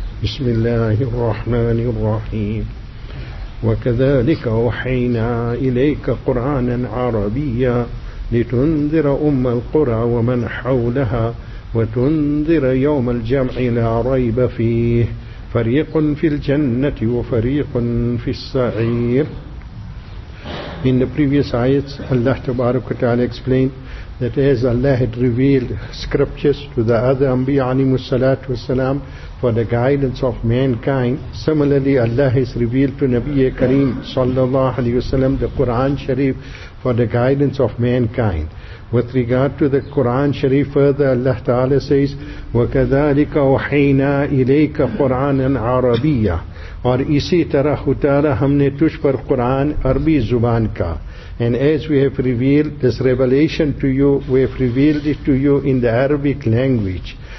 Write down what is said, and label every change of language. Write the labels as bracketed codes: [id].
[ar] بسم الله الرحمن الرحيم. وكذلك أوحينا إليك قرآنا عربيا لتنذر أم القرى ومن حولها وتنذر يوم الجمع لا ريب فيه فريق في الجنة وفريق في السعير. [en] In the previous ayats, Allah Tabaraka Ta'ala explained that as Allah had revealed scriptures to the other Anbiya alayhimus salatu wassalam for the guidance of mankind, similarly Allah has revealed to Nabiya Kareem sallallahu alayhi wasallam the Quran Sharif for the guidance of mankind. With regard to the Quran Sharif further, Allah Ta'ala says, [ar] وَكَذَلِكَ وَحَيْنَا إِلَيْكَ قُرْآنًا عَرَبِيًّا. [ur] اور اسی طرح اتارا ہم نے تجھ پر قرآن عربی زبان کا. [en] And as we have revealed this revelation to you, we have revealed it to you in the Arabic language.